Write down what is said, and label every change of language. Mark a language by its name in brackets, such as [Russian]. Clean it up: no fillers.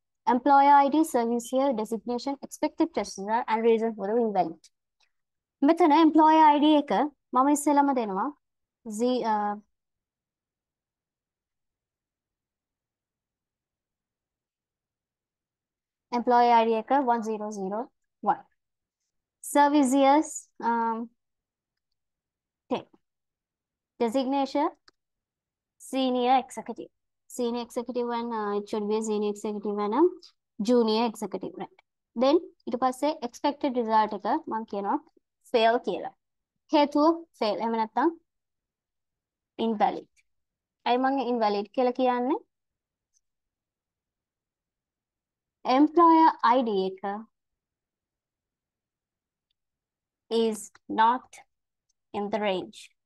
[English] Employer ID, service year, designation, expected test result, and reason for the invalid. [Sinhala] මෙතන employer ID එක මම ඉස්සෙල්ලාම දෙනවා employer ID එක 1001. [English] Service years 10. Designation senior executive. Senior executive and it should be a senior executive and a junior executive, right? Then it was say expected result [Sinhala] එක මම කියනවා [English] fail [Sinhala] කියලා. හේතුව fail එහෙම නැත්නම් invalid. අයි මම [English] invalid [Sinhala] කියලා කියන්නේ [English] employer ID [Sinhala] එක [English] is not in the range.